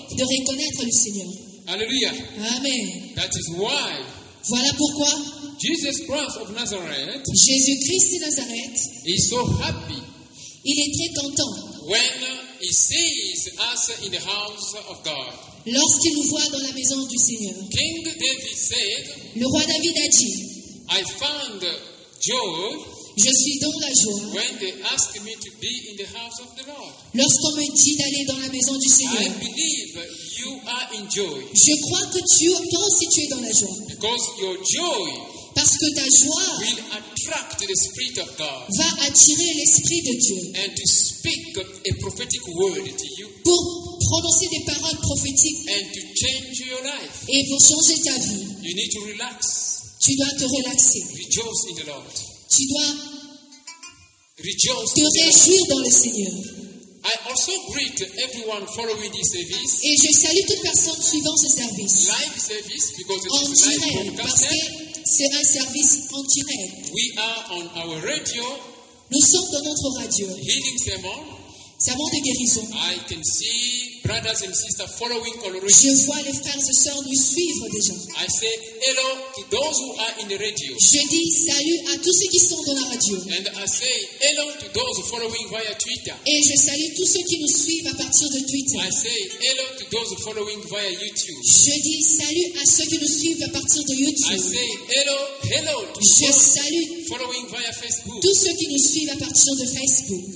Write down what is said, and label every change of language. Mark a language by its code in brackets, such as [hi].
[fr] et de reconnaître le Seigneur. Alléluia. Amen. [en] That is why. [fr] Voilà pourquoi. [en] Jesus Christ of Nazareth. [fr] Jésus-Christ de Nazareth. [en] Is so happy. [fr] Il est très content. [en] When he sees us in the house of God. [fr] Lorsqu'il nous voit dans la maison du Seigneur. [en] King David said, [fr] le roi David a dit, [en] I found joy, [fr] je suis dans la joie, [en] when they asked me to be in the house of the Lord. [fr] Lorsqu'on me dit d'aller dans la maison du Seigneur. [en] I believe you are in joy. [fr] Je crois que tu penses que tu es dans la joie. [en] Because your joy, [fr] parce que ta joie, [en] will attract the Spirit of God, [fr] va attirer l'Esprit de Dieu, [en] and to speak a prophetic word to you, [fr] pour prononcer des paroles prophétiques, [en] and to change your life, [fr] et pour changer ta vie. [en] You need to relax. [fr] Tu dois te relaxer. [en] Rejoice in the Lord. [fr] Tu dois [en] rejoice [fr] te réjouir dans le Seigneur. [en] I also greet everyone following this service. [fr] Et je salue toute personne suivant ce service. [en] Live service, because [fr] en direct, parce que c'est un service en direct. [en] We are on our radio. [fr] Nous sommes dans notre radio. [en] Healing sermon. [fr] Sermon de guérison. [en] I can see brothers and sisters following already. [fr] Je vois les frères et sœurs nous suivre déjà. [en] I say hello to those who are in the radio. [fr] Je dis salut à tous ceux qui sont dans la radio. [en] And I say hello to those following via Twitter. [fr] Et je salue tous ceux qui nous suivent à partir de Twitter. [en] I say hello to those following via YouTube. [fr] Je dis salut à ceux qui nous suivent à partir de YouTube. [en] I say hello, hello to [fr] je salue [en] following via Facebook. [fr] Tous ceux qui nous suivent à partir de Facebook.